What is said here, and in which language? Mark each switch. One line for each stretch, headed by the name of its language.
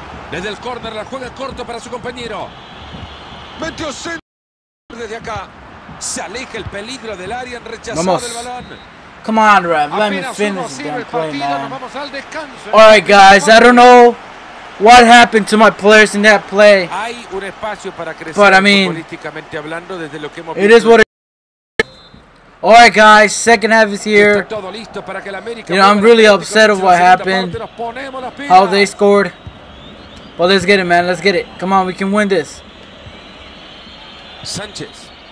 Spanish: Desde el corner la juega corto para su compañero. Metió centro desde acá. Se aleja el peligro del área en rechazado el balón.
English: Come on, Rev. Let me finish the damn play, man. All right, guys. I don't know what happened to my players in that play.
Spanish: Hay un espacio para crecer futbolísticamente hablando desde lo que hemos visto.
English: It is what it is. All right, guys. Second half is here.
Spanish: Todo listo para que el América.
English: You know, I'm really upset of what happened. How they scored. Well, let's get it, man. Let's get it. Come on, we can win this. Sanchez.